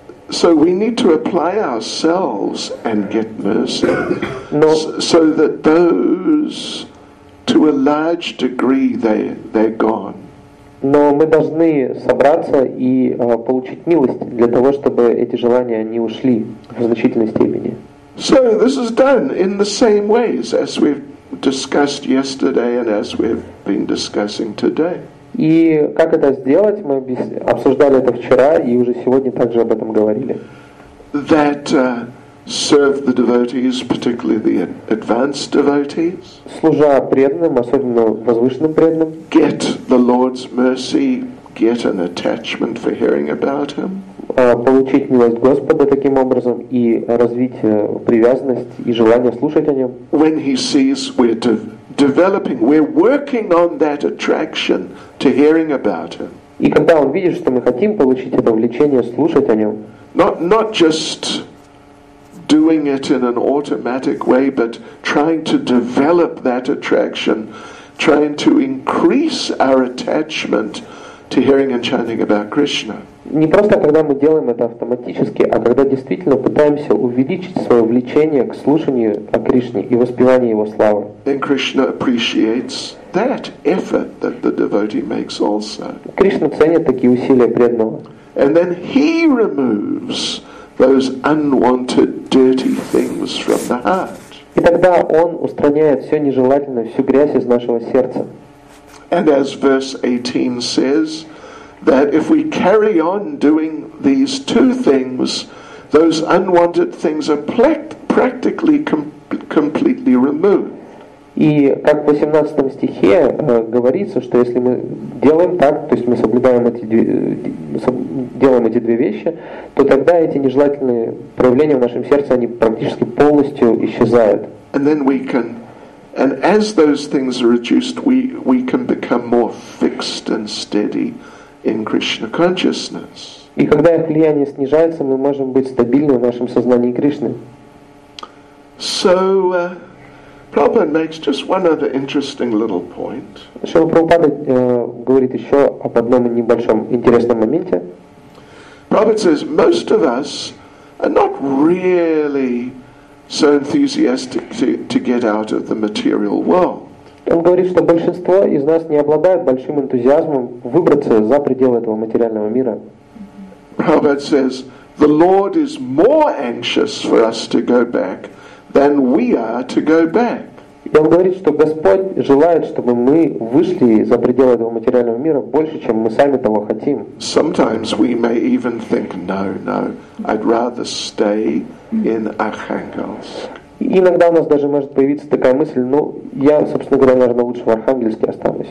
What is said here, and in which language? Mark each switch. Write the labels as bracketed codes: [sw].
[en] So we need to apply ourselves and get mercy. So that those, to a large degree, they're gone. [ru] Но мы должны собраться и получить милость для того, чтобы эти желания не ушли в значительной степени. [en] So this is done in the same ways as we've discussed yesterday and as we've been discussing today. [ru] И как это сделать? Мы обсуждали это вчера и уже сегодня также об этом говорили. [en] That serve the devotees, particularly the advanced devotees. [ru] Служа преданным, особенно возвышенным преданным. [en] Get the Lord's mercy, get an attachment for hearing about him. [ru] Получить милость Господа таким образом и развить привязанность и желание слушать о нем. [en] When he sees we're working on that attraction to hearing about him. [ru] И когда он видит, что мы хотим получить это влечение слушать о нем. [en] Not just doing it in an automatic way, but trying to develop that attraction, trying to increase our attachment to hearing and chanting about Krishna. [ru] Не просто когда мы делаем это автоматически, а когда действительно пытаемся увеличить свое влечение к слушанию о Кришне и воспеванию Его славы. [en] Then Krishna appreciates that effort that the devotee makes also. [ru] Кришна ценит такие усилия преданного. [en] And then he removes those unwanted dirty things from the heart. [ru] И тогда он устраняет все нежелательное, всю грязь из нашего сердца. [en] And as verse 18 says, that if we carry on doing these two things, those unwanted things are practically completely removed. [ru] И как в 18 стихе говорится, что если мы делаем так, то есть мы соблюдаем эти две вещи, то тогда эти нежелательные проявления в нашем сердце, они практически полностью исчезают. [en] And then we can, and as those things are reduced, we can become more fixed and steady in Krishna consciousness. [ru] И когда их влияние снижается, мы можем быть стабильны в нашем сознании Кришны. [en] So Prabhupada makes just one other interesting little point. [ru] Шрила Прабхупада говорит еще об одном небольшом интересном моменте. [en] Prabhupada says most of us are not really so enthusiastic to get out of the material world. [ru] Он говорит, что большинство из нас не обладает большим энтузиазмом выбраться за пределы этого материального мира. [en] Prabhupada says, the Lord is more anxious for us to go back than we are to go back. [ru] И он говорит, что Господь желает, чтобы мы вышли за пределы этого материального мира больше, чем мы сами того хотим. [en] Sometimes we may even think, no, I'd rather stay in Arkhangelsk. [ru] Иногда у нас даже может появиться такая мысль, ну, я, собственно говоря, наверное, лучше в Архангельске останусь.